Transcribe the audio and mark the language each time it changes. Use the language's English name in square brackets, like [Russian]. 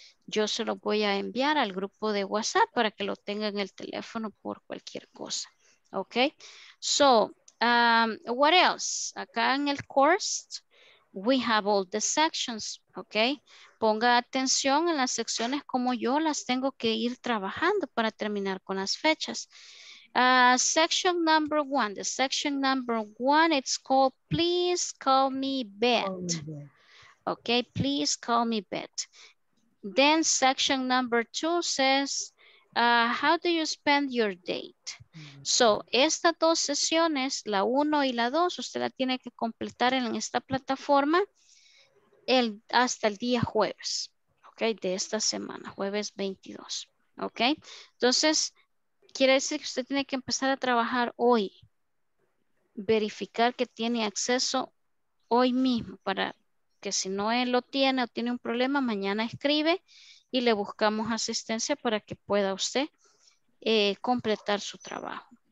[Spanish] Yo se lo voy a enviar al grupo de WhatsApp para que lo tenga en el teléfono por cualquier cosa, ¿ok? [English] So, what else? [Spanish] Acá en el [English] course, we have all the sections, ¿ok? [Spanish] Ponga atención en las secciones como yo las tengo que ir trabajando para terminar con las fechas. [English] Section number one. The section number one, it's called Please Call Me Beth. Ok, Please Call Me Beth. Then section number two says, How do you spend your date? Mm-hmm. [Spanish] So, estas dos sesiones, la uno y la dos, usted la tiene que completar en esta plataforma. Hasta el día jueves, ok, de esta semana, jueves 22, ok, entonces quiere decir que usted tiene que empezar a trabajar hoy, verificar que tiene acceso hoy mismo para que si no él lo tiene o tiene un problema, mañana escribe y le buscamos asistencia para que pueda usted completar su trabajo.